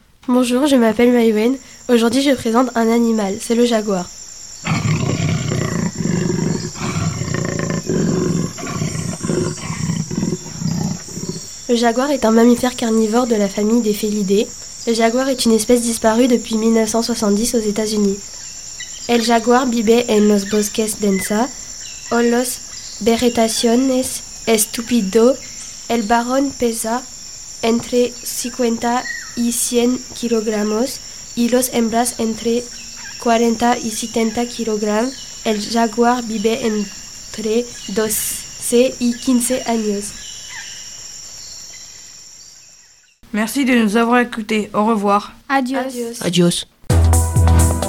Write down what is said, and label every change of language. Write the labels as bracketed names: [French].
[French] Bonjour, je m'appelle Maïwen. Aujourd'hui, je présente un animal, c'est le jaguar. Le jaguar est un mammifère carnivore de la famille des félidés. Le jaguar est une espèce disparue depuis 1970 aux États-Unis. [Spanish] El jaguar vive en los bosques densa, o los vegetaciones estúpido, el barón pesa entre 50 y 100 kilogramos y los hembras entre 40 y 70 kilogramos. El jaguar vive entre 12 y 15 años. [French] Merci de nous avoir écoutés. Au revoir. [Spanish] Adios. Adios. Adios.